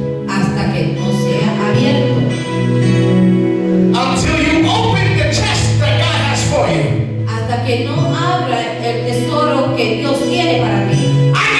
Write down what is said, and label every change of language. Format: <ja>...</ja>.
<es>Hasta que no sea abierto.</es> <en>Until you open the chest that God has for you.</en> <es>Hasta que no abra el tesoro que Dios tiene para ti.</es>